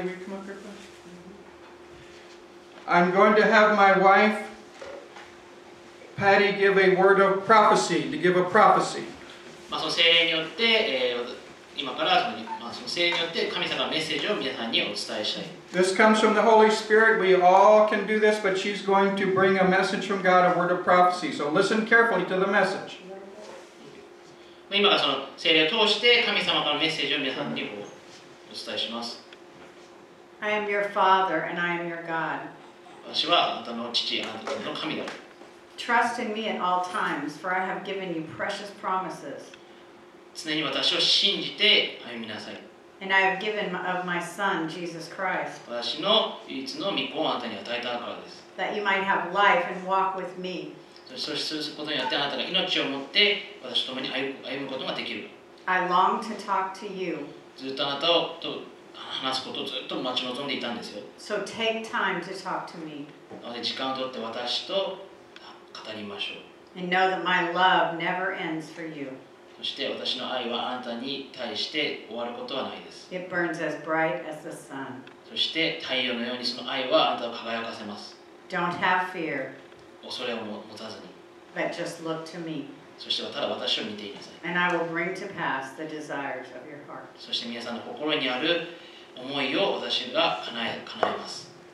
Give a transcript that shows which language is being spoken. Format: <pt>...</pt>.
<en>will you come up here, please? I'm going to have my wife, Patty, give a word of prophecy, to give a prophecy.</en> <ja>まあ、その聖霊によって、今からその、まあ、その聖霊によって神様のメッセージを皆さんにお伝えしたい。</ja> <en>This comes from the Holy Spirit. We all can do this, but she's going to bring a message from God, a word of prophecy. So listen carefully to the message.</en> <ja>今からその聖霊を通して神様からのメッセージを皆さんにお伝えします。</ja> <en>I am your father and I am your God.</en> <ja>私はあなたの父、あなたの神だ。</ja> <en>Trust in me at all times, for I have given you precious promises.</en> <ja>常に私を信じて歩みなさい。</ja> <en>And I have given of my son, Jesus Christ.</en> <ja>私の唯一の御子をあなたに与えたからです。</ja> <en>That you might have life and walk with me.</en> <ja>そうすることによってあなたが命を持って私と共に歩むことができる。</ja> <en>I long to talk to you.</en> <ja>ずっとあなたと話すことをずっと待ち望んでいたんですよ。</ja> <en>So take time to talk to me.</en> <ja>なので時間をとって私と語りましょう。</ja> <en>And know that my love never ends for you.</en> <ja>そして私の愛はあなたに対して終わることはないです。</ja> <en>It burns as bright as the sun.</en> <ja>そして太陽のようにその愛はあなたを輝かせます。</ja> <en>Don't have fear.</en> <ja>恐れを持たずに。</ja> <en>But just look to me.</en> <ja>そしてただ私を見ていなさい。</ja> <en>And I will bring to pass the desires of your heart.</en> <ja>そして皆さんの心にある思いを私が叶えます。</ja>